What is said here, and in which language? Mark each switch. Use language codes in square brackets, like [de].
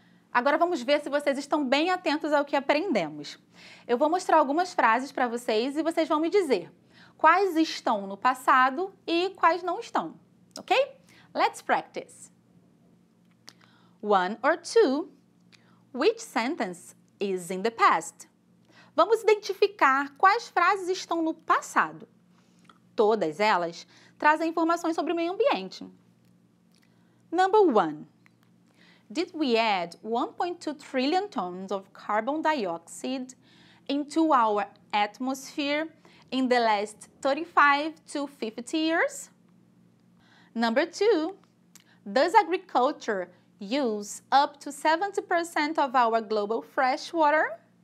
[pt] Agora vamos ver se vocês estão bem atentos ao que aprendemos. Eu vou mostrar algumas frases para vocês e vocês vão me dizer quais estão no passado e quais não estão, ok? [en] Let's practice. One or two, which sentence is in the past? [pt] Vamos identificar quais frases estão no passado. Todas elas trazem informações sobre o meio ambiente. [en] Number one. Did we add 1.2 trillion tons of carbon dioxide into our atmosphere in the last 35 to 50 years? Number two, does agriculture use up to 70% of our global fresh water?